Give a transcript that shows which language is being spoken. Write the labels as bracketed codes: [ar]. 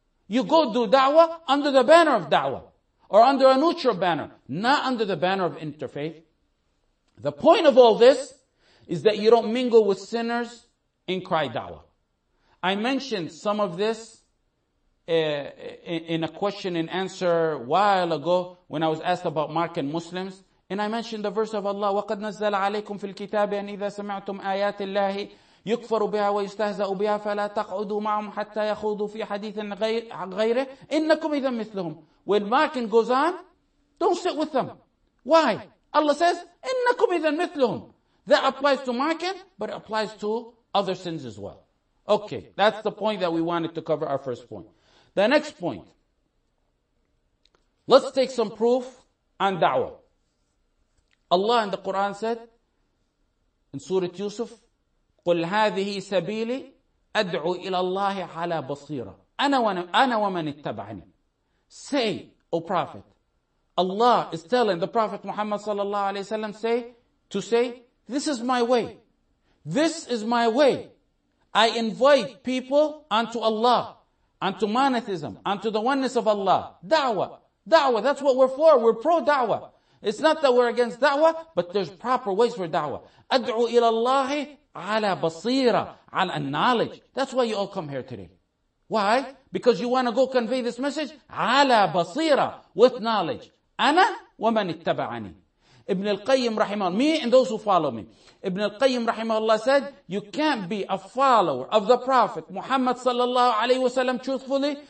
[en] You go do da'wah under the banner of da'wah, or under a neutral banner, not under the banner of interfaith. The point of all this is that you don't mingle with sinners and cry da'wah. I mentioned some of this in a question and answer a while ago when I was asked about marking Muslims. And I mentioned the verse of Allah, [ar] وَقَدْ نَزَّلَ عَلَيْكُمْ فِي الْكِتَابِ أَنْ إِذَا سَمِعْتُمْ آيَاتِ اللَّهِ يُكْفَرُ بِهَا وَيُسْتَهْزَأُ بِهَا فَلَا تَقْعُدُوا مَعَهُمْ حَتَّى يَخُوضُوا فِي حَدِيثٍ غَيْرِهِ إِنَّكُمْ إِذَا مِثْلُهُمْ. [en] When marking goes on, don't sit with them. Why? Allah says, [ar] إِنَّكُمْ إِذَا مِثْلُهُمْ. [en] That applies to marking, but it applies to other sins as well. Okay, that's the point that we wanted to cover, our first point. The next point. Let's take some proof on da'wah. Allah in the Quran said, in Surah Yusuf, [ar] قُلْ هَذِهِ سَبِيلِي أَدْعُوا إِلَى اللَّهِ عَلَى بَصِيرًا أَنَا وَمَنِ اتَّبَعَنِي. [en] Say, O Prophet, Allah is telling the Prophet Muhammad sallallahu alayhi wa sallam to say, this is my way. This is my way. I invite people unto Allah, unto monotheism, unto the oneness of Allah. Da'wah, that's what we're for. We're pro-da'wah. It's not that we're against da'wah, but there's proper ways for da'wah. [ar] أَدْعُوا إِلَى اللَّهِ عَلَى بَصِيرًا عَلَى [en] knowledge. That's why you all come here today. Why? Because you want to go convey this message [ar] عَلَى بَصِيرًا [en] with knowledge. [ar] أَنَا وَمَنِ اتَّبَعَنِي. [en] Ibn al-Qayyim [ar] رحمه الله, [en] me and those who follow me. Ibn al-Qayyim رحمه الله said, you can't be a follower of the Prophet Muhammad sallallahu alayhi wasallam truthfully.